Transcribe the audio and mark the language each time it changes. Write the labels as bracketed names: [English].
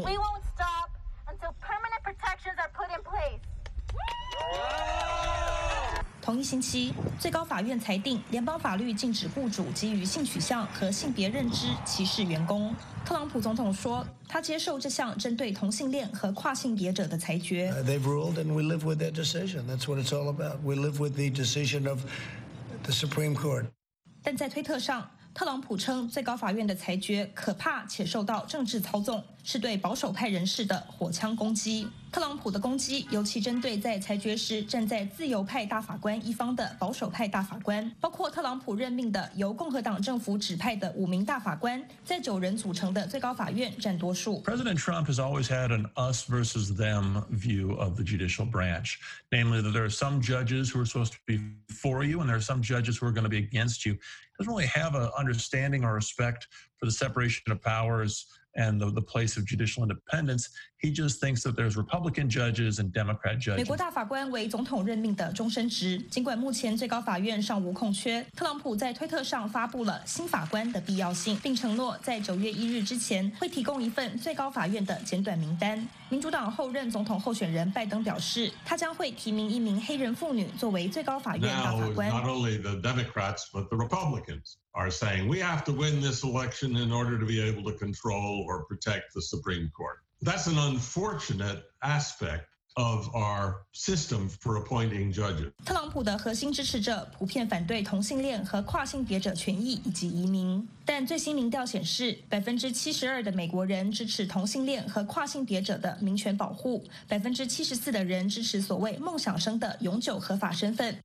[English] We won't stop until permanent protections are put in place. [Chinese] 同一星期，最高法院裁定联邦法律禁止雇主给予性取向和性别认知歧视员工。特朗普总统说，他接受这项针对同性恋和跨性别者的裁决。 [English] They've ruled and we live with that decision. That's what it's all about. We live with the decision of the Supreme Court. [Chinese] 但在推特上，特朗普称最高法院的裁决可怕且受到政治操纵，是对保守派人士的火枪攻击。特朗普的攻击尤其针对在裁决时站在自由派大法官一方的保守派大法官，包括特朗普任命的由共和党政府指派的5名大法官，在9人组成的最高法院占多数。 [English] President Trump has always had an us versus them view of the judicial branch, namely that there are some judges who are supposed to be for you and there are some judges who are going to be against you. He doesn't really have an understanding or respect for the separation of powers. And the place of judicial independence, he just thinks that there's Republican judges and Democrat judges. [Chinese] 美国大法官为总统任命的终身职，尽管目前最高法院尚无空缺，特朗普在推特上发布了新法官的必要性，并承诺在9月1日之前会提供一份最高法院的简短名单。民主党后任总统候选人拜登表示，他将会提名一名黑人妇女作为最高法院大法官。 [English] Now, not only the Democrats, but the Republicans. Are saying we have to win this election in order to be able to control or protect the Supreme Court. That's an unfortunate aspect of our system for appointing judges. [Chinese] 特朗普的核心支持者普遍反对同性恋和跨性别者权益以及移民，但最新民调显示，72%的美国人支持同性恋和跨性别者的民权保护，74%的人支持所谓梦想生的永久合法身份。